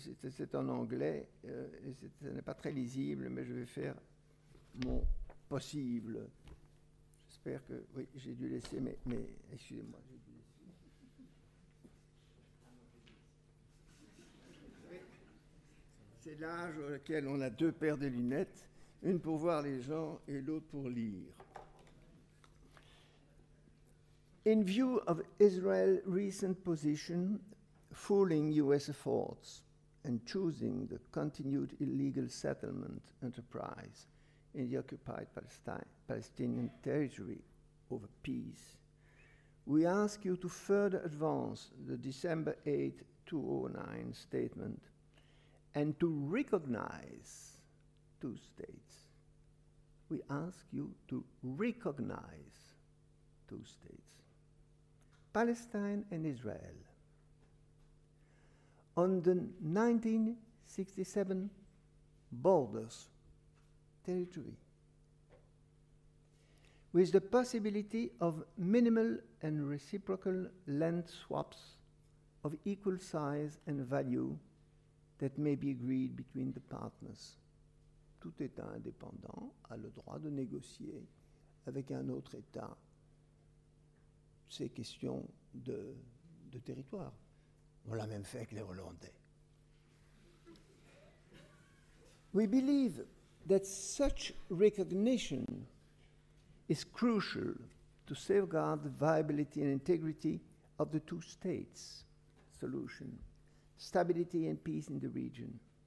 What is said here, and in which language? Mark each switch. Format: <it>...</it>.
<fr>C'est en anglais, et ce n'est pas très lisible, mais je vais faire mon possible. J'espère que... Oui, j'ai dû laisser mais excusez-moi. C'est l'âge auquel on a deux paires de lunettes. une pour voir les gens et l'autre pour lire.</fr> <en>In view of Israel's recent position, fooling US efforts and choosing the continued illegal settlement enterprise in the occupied Palestinian territory over peace, we ask you to further advance the December 8, 2009 statement and to recognize two states. We ask you to recognize two states, Palestine and Israel. On the 1967 borders territory, with the possibility of minimal and reciprocal land swaps of equal size and value that may be agreed between the partners.</en> <fr>Tout État indépendant a le droit de négocier avec un autre État ces questions de territoire. On l'a même fait avec les Hollandais.</fr> <en>We believe that such recognition is crucial to safeguard the viability and integrity of the two states solution, stability and peace in the region.</en>